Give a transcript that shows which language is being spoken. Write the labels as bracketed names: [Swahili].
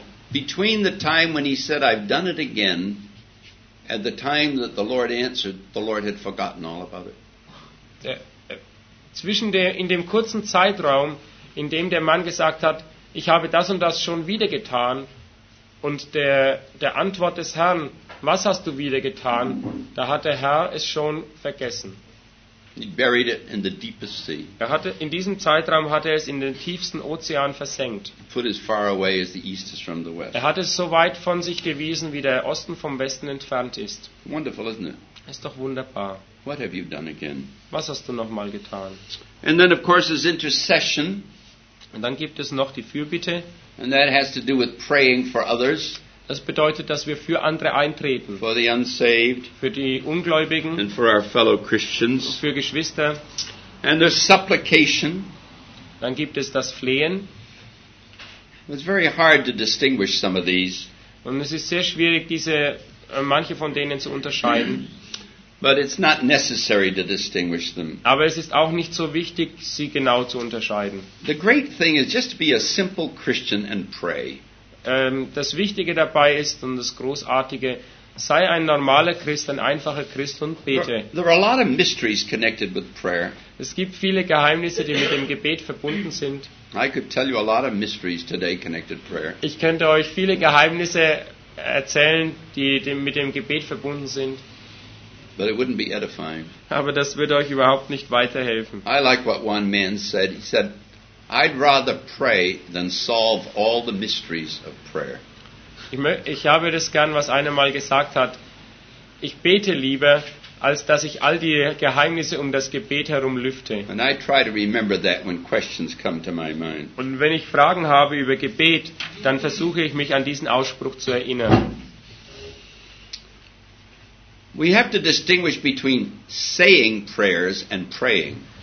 [English] Between the time when he said, I've done it again, and the time that the Lord answered, the Lord had forgotten all about it. [German] In dem kurzen Zeitraum, in dem der Mann gesagt hat, ich habe das und das schon wieder getan, und der Antwort des Herrn, was hast du wieder getan, da hat der Herr es schon vergessen. [English] He buried it in the deepest sea. [German] In diesem Zeitraum hat er es in den tiefsten Ozean versenkt. [English] Put as far away as the east is from the west. [German] Er hat es so weit von sich gewiesen, wie der Osten vom Westen entfernt ist. [English] Wonderful, isn't it? [German] Ist doch wunderbar. [English] What have you done again? [German] Was hast du nochmal getan? [English] And then of course is intercession. [German] Und dann gibt es noch die Fürbitte. [English] And that has to do with praying for others. [German] Das bedeutet, dass wir für andere eintreten. [English] For the unsaved, [German] für die Ungläubigen. [English] And for our fellow Christians. [German] Für Geschwister. [English] And there's supplication. [German] Dann gibt es das Flehen. [English] It's very hard to distinguish some of these. [German] Und es ist sehr schwierig, diese manche von denen zu unterscheiden. [English] But it's not necessary to distinguish them. [German] Aber es ist auch nicht so wichtig, sie genau zu unterscheiden. [English] The great thing is just to be a simple Christian and pray. [German] Das Wichtige dabei ist und das Großartige, sei ein normaler Christ, ein einfacher Christ und bete. [English] There are a lot of mysteries connected with prayer. [German] Es gibt viele Geheimnisse, die mit dem Gebet verbunden sind. [English] I could tell you a lot of mysteries today connected prayer. [German] Ich könnte euch viele Geheimnisse erzählen, die mit dem Gebet verbunden sind. [English] But it wouldn't be edifying. [German] Aber das würde euch überhaupt nicht weiterhelfen. [English] I like what one man said. He said, I'd rather pray than solve all the mysteries of prayer. [German] Ich habe das gern, was einer mal gesagt hat. Ich bete lieber, als dass ich all die Geheimnisse um das Gebet herum lüfte. [English] And I try to remember that when questions come to my mind. [German] Und wenn ich Fragen habe über Gebet, dann versuche ich mich an diesen Ausspruch zu erinnern. [English] We have to distinguish between saying prayers and praying.